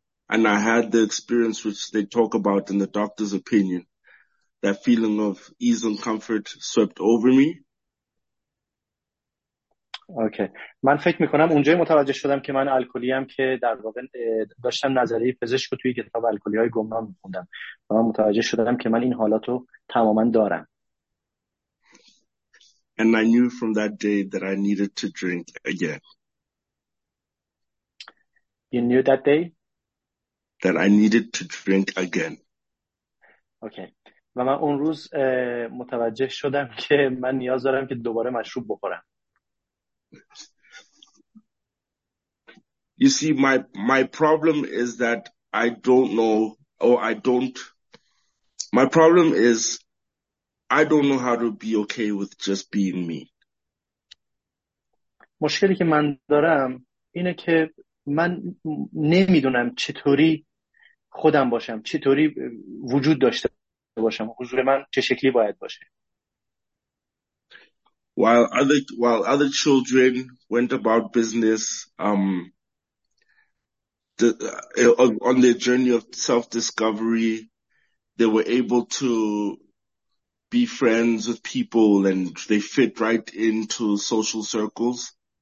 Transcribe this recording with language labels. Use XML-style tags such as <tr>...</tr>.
<en>And I had the experience which they talk about in the doctor's opinion, that feeling of ease and comfort swept over me. Okay.</en> <fa>من فکر میکنم اونجای متوجه شدم که من الکلیم، که در واقع داشتم نظریه پزشک رو توی کتاب الکلی های گمنام میخوندم و من متوجه شدم که من این حالاتو تماما دارم.</fa> <en>And I knew from that day that I needed to drink again. You knew that day? That I needed to drink again. Okay.</en> <fa>و من اون روز متوجه شدم که من نیاز دارم که دوباره مشروب بخورم.</fa> <en>You see, my problem is that I don't know, or I don't. My problem is, I don't know how to be okay with just being me.</en> <fa>مشکلی که من دارم اینه که من نمیدونم چطوری خودم باشم، چطوری وجود داشته باشم، حضور من چه شکلی باید باشه.</fa> <en>While other children went about business, on their journey of self-discovery, they were able to be friends with people and they fit right into social circles.</en>